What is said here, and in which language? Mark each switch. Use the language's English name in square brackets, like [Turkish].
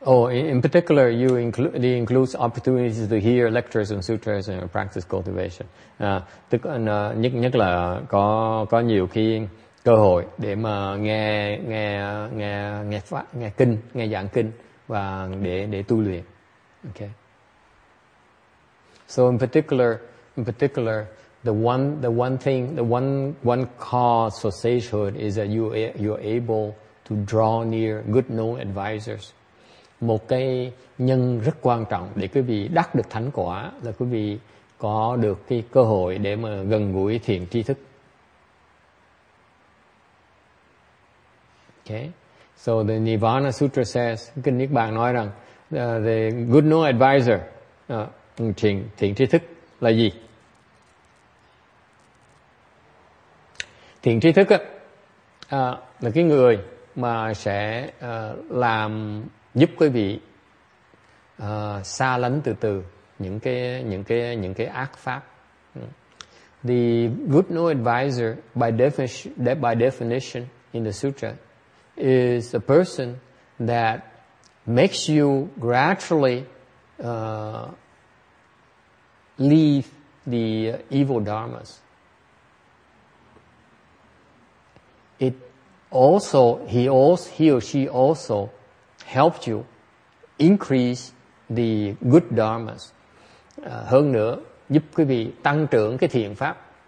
[English] In particular, you include the includes opportunities to hear lectures and sutras and practice cultivation. [Vietnamese] Nhất là có nhiều khi cơ hội để mà nghe pháp, nghe kinh, nghe giảng kinh và để tu luyện. [English] Okay. So in particular, the one cause for sagehood is that you're able to draw near good known advisors. [Vietnamese] Một cái nhân rất quan trọng để quý vị đắc được thánh quả là quý vị có được cái cơ hội để mà gần gũi thiện tri thức. [English] Okay, so the Nirvana Sutra says, [Vietnamese] kinh Niết Bàn nói rằng, [English] the good known advisor, [Vietnamese] thiện tri thức là gì? Thiện tri thức là cái người mà sẽ làm giúp quý vị xa lánh từ từ những cái ác pháp. [English] The good no advisor, by definition in the sutra, is a person that makes you gradually leave the evil dharmas. It also, he or she also helped you increase the good dharmas. [Vietnamese] Hơn nữa, giúp quý vị tăng trưởng cái thiện pháp.